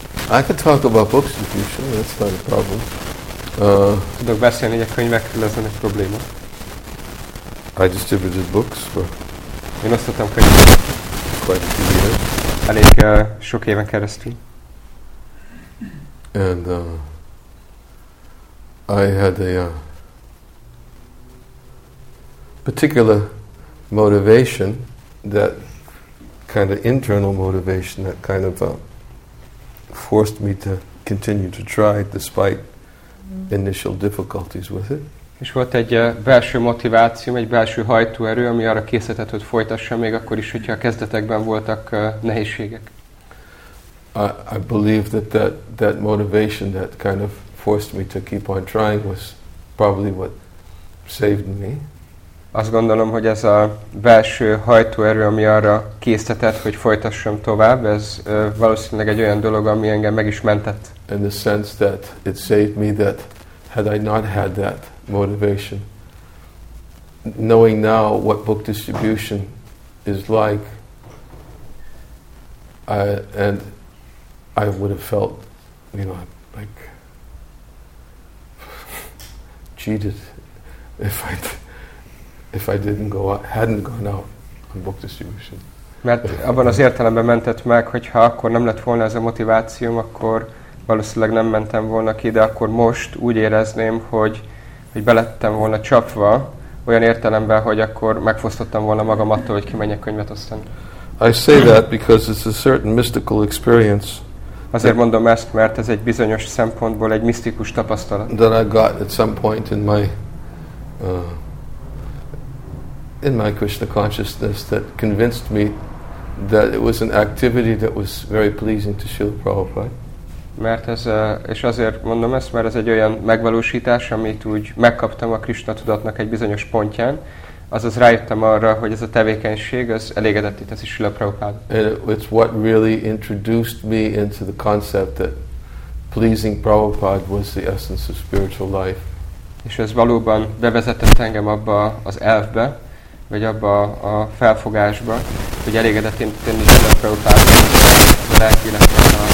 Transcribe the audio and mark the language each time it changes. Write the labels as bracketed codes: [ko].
[en] I could talk about books if you should, that's not a problem. [hu] Tudok beszélni, hogy a könyvekről ez nem egy probléma. [en] I distributed books for... [hu] Én osztottam könyveket. [en] Quite a few years. [hu] Elég sok éven keresztül. [en] And I had a particular motivation that kind of internal motivation that kind of forced me to continue to try despite initial difficulties with it. [hu] És volt egy belső motiváció, egy belső hajtóerő, ami arra készített, hogy folytassam még akkor is, hogyha a kezdetekben voltak nehézségek. [en] I believe that motivation that kind of forced me to keep on trying was probably what saved me. [hu] Azt gondolom, hogy ez a belső hajtóerő, ami arra késztetett, hogy folytassam tovább, ez valószínűleg egy olyan dolog, ami engem meg is mentett. [en] In the sense that it saved me that had I not had that motivation, knowing now what book distribution is like, I would have felt, you know, like cheated if I didn't go out, hadn't gone out on book distribution. [hu] Mert abban az értelemben mentett meg, hogyha akkor nem lett volna ez a motivációm, akkor valószínűleg nem mentem volna ki, de akkor most úgy érezném, hogy belettem volna csapva, olyan értelemben, hogy akkor megfosztottam volna magam attól, hogy kimenjek könyvet osztani. [en] I say that because it's a certain mystical experience. [hu] Azért mondom ezt, mert ez egy bizonyos szempontból egy misztikus tapasztalat. [en] That I got at some point in my Krishna consciousness that convinced me that it was an activity that was very pleasing to Srila Prabhupada. [hu] Mert ez, és azért mondom ezt, mert ez egy olyan megvalósítás, amit úgy megkaptam a Krishna tudatnak egy bizonyos pontján, azaz rájöttem arra, hogy ez a tevékenység az elégedetté teszi Srila Prabhupádot. [en] It's what really introduced me into the concept that pleasing Prabhupada was the essence of spiritual life. [hu] És ez valóban bevezetett engem abba az elvbe, vagy abba a felfogásba, hogy elégedetté tenni Srila Prabhupádot a lelkének a